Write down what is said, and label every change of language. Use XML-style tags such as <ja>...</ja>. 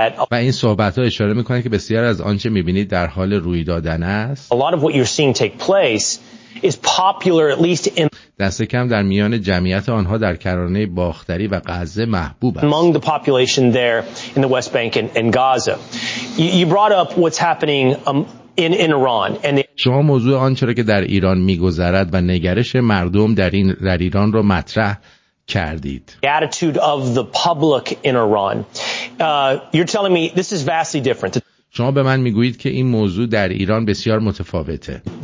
<fa>و این صحبت ها اشاره میکنه که بسیار از آنچه میبینید در حال روی دادن است.</fa> <en>A lot of what you're seeing take place is popular at least in</en> <fa>دست کم در میان جمعیت آنها در کرانه باختری و غزه محبوب است.</fa> <en>Among the population there in the West Bank and Gaza. You brought up what's happening in Iran and</en> <fa>شما موضوع آنچه را که در ایران می‌گذرد و نگرش مردم در ایران را مطرح کردید.</fa> <en>The attitude of the public in Iran. You're telling me this is vastly different.</en> <fa>شما به من میگویید که این موضوع در ایران بسیار متفاوته.</fa>